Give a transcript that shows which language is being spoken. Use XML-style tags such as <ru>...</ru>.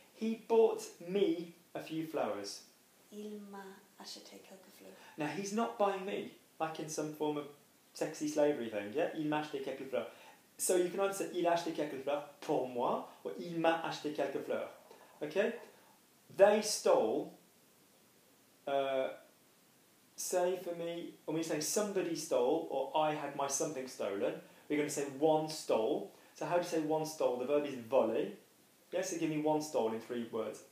<en>He bought me a few flowers.</en> <fr>Il m'a acheté quelques fleurs.</fr> <en>Now, he's not buying me, like in some form of sexy slavery thing, yeah?</en> <fr>Il m'a acheté quelques fleurs.</fr> <en>So you can answer,</en> <fr>il a acheté quelques fleurs pour moi,</fr> <en>or</en> <fr>il m'a acheté quelques fleurs.</fr> <en>Okay? They stole, say for me, when we're saying somebody stole, or I had my something stolen, we're going to say one stole. So how do you say one stole? The verb is voler. Yes, so give me one stole in three words.</en>